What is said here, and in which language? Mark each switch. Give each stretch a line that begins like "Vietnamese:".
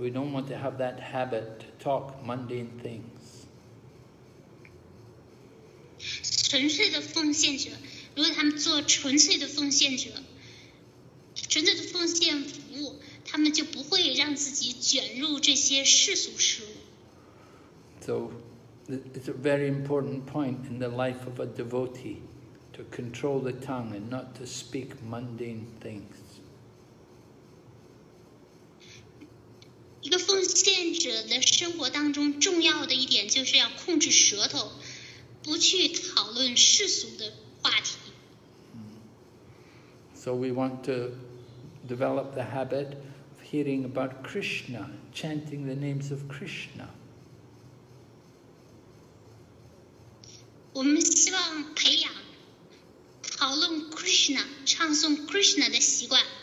English: We don't want to have that habit to talk mundane things.
Chinese: 纯粹的奉献者，如果他们做纯粹的奉献者，纯粹的奉献服务，他们就不会让自己卷入这些世俗事物。
English: So, it's a very important point in the life of a devotee to control the tongue and not to speak mundane things.
Chinese: 一个奉践者的生活当中重要的一点就是要控制舌头，不去讨论世俗的话题。
English: So we want to develop the habit of hearing about Krishna, chanting the names of Krishna.
Chinese: 我们希望培养讨论 Krishna, 唱诵 Krishna 的习惯。